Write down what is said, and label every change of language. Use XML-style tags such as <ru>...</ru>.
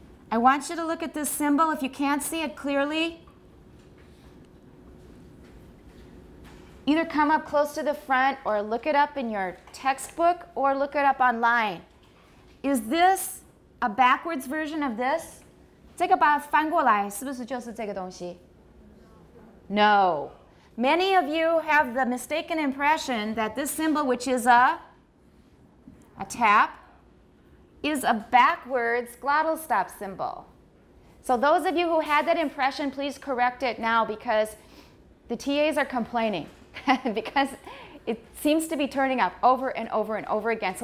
<en>I want you to look at this symbol. If you can't see it clearly, either come up close to the front or look it up in your textbook or look it up online. Is this a backwards version of this?</en> <zh>这个把翻过来是不是就是这个东西?</zh> <en>No. Many of you have the mistaken impression that this symbol, which is a tap, is a backwards glottal stop symbol. So those of you who had that impression, please correct it now, because the TAs are complaining because it seems to be turning up over and over and over again.</en>